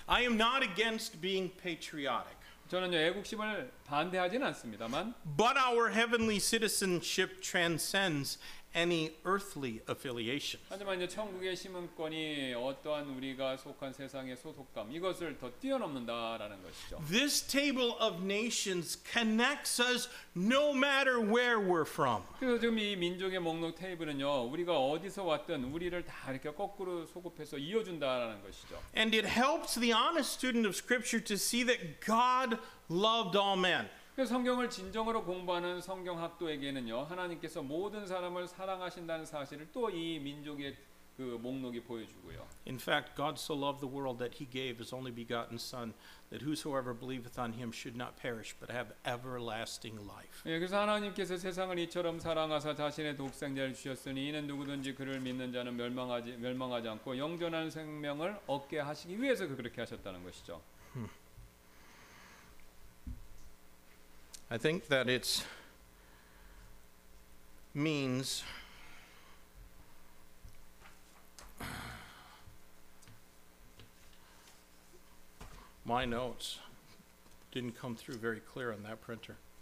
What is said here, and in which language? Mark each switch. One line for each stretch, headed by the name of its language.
English: I am not against being patriotic.
Korean: 저는요 애국심을 반대하지는 않습니다만.
English: But our heavenly citizenship transcends any earthly affiliation.
Korean: 하지만 이제 천국의 시민권이 어떠한 우리가 속한 세상의 소속감 이것을 더 뛰어넘는다라는 것이죠.
English: This table of nations connects us no matter where we're from.
Korean: 그래서 지금 이 민족의 목록 테이블은요, 우리가 어디서 왔든 우리를 다 이렇게 거꾸로 소급해서 이어준다라는 것이죠.
English: And it helps the honest student of Scripture to see that God loved all men.
Korean: 성경을 진정으로 공부하는 성경학도에게는요 하나님께서 모든 사람을 사랑하신다는 사실을 또 이 민족의 그 목록이 보여주고요.
English: In fact, God so loved the world that He gave His only begotten Son, that whosoever believeth on Him should not perish but have everlasting life.
Korean: 예, 그래서 하나님께서 세상을 이처럼 사랑하사 자신의 독생자를 주셨으니 이는 누구든지 그를 믿는 자는 멸망하지 않고 영존한 생명을 얻게 하시기 위해서 그렇게 하셨다는 것이죠.
English: I think that it means my notes didn't come through very clear on that printer.